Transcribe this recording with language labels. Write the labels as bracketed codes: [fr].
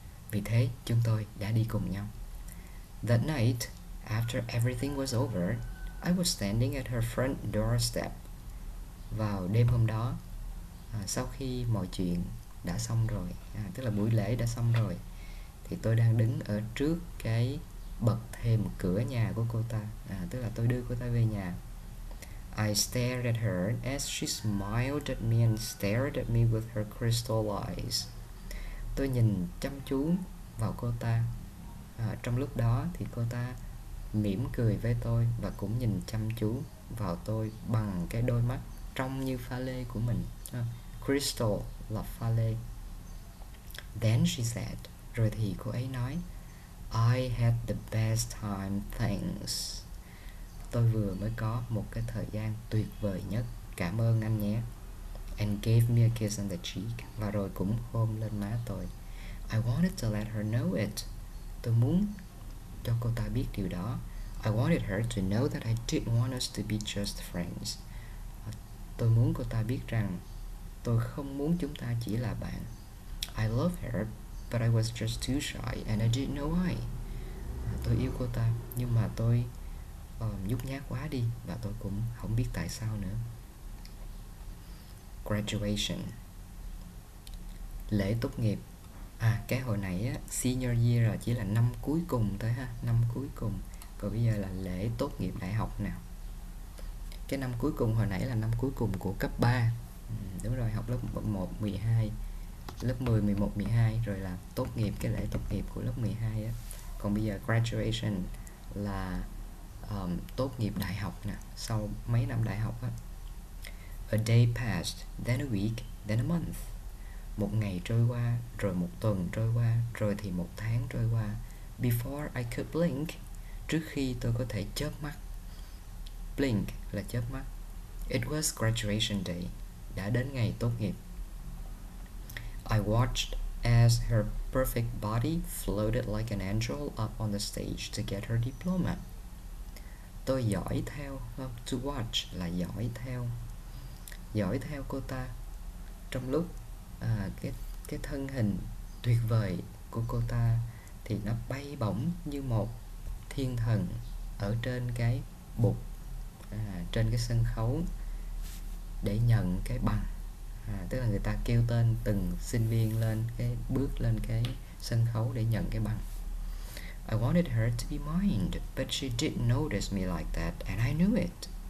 [vi] Vì thế chúng tôi đã đi cùng nhau. [en] That night, after everything was over, I was standing at her front doorstep. [vi] Vào đêm hôm đó, sau khi mọi chuyện đã xong rồi, tức là buổi lễ đã xong rồi, thì tôi đang đứng ở trước cái bậc thềm cửa nhà của cô ta, tức là tôi đưa cô ta về nhà. [en] I stared at her as she smiled at me and stared at me with her crystal eyes. [vi] Tôi nhìn chăm chú vào cô ta. Trong lúc đó thì cô ta mỉm cười với tôi và cũng nhìn chăm chú vào tôi bằng cái đôi mắt trong như pha lê của mình. Crystal là pha lê. [en] Then she said, [vi] rồi thì cô ấy nói, [en] I had the best time, thanks. [vi] Tôi vừa mới có một cái thời gian tuyệt vời nhất. Cảm ơn anh nhé. [en] And gave me a kiss on the cheek. [vi] Và rồi cũng hôn lên má tôi. [en] I wanted to let her know it. [vi] Tôi muốn cho cô ta biết điều đó. [en] I wanted her to know that I didn't want us to be just friends. [vi] Tôi muốn cô ta biết rằng tôi không muốn chúng ta chỉ là bạn. [en] I love her, but I was just too shy and I didn't know why. [vi] Tôi yêu cô ta, nhưng mà tôi nhút nhát quá đi và tôi cũng không biết tại sao nữa. Graduation. Lễ tốt nghiệp. À, cái hồi này á, senior year là chỉ là năm cuối cùng thôi ha, năm cuối cùng. Còn bây giờ là lễ tốt nghiệp đại học nào. Cái năm cuối cùng hồi nãy là năm cuối cùng của cấp 3. Đúng rồi, học lớp 1, 12, lớp 10, 11, 12 rồi là tốt nghiệp, cái lễ tốt nghiệp của lớp 12 á. Còn bây giờ graduation là tốt nghiệp đại học nè, sau mấy năm đại học á. [en] A day passed, then a week, then a month. [vi] Một ngày trôi qua, rồi một tuần trôi qua, rồi thì một tháng trôi qua. [en] Before I could blink, [vi] trước khi tôi có thể chớp mắt. Blink là chớp mắt. [en] It was graduation day. [vi] Đã đến ngày tốt nghiệp. [en] I watched as her perfect body floated like an angel up on the stage to get her diploma. [vi] Tôi dõi theo, không? To watch là dõi theo. Dõi theo cô ta trong lúc cái thân hình tuyệt vời của cô ta thì nó bay bổng như một thiên thần ở trên cái bục, trên cái sân khấu để nhận cái bằng. Tức là người ta kêu tên từng sinh viên lên cái bước lên cái sân khấu để nhận cái bằng. [en] I wanted her to be mine, but she didn't notice me like that, and I knew it.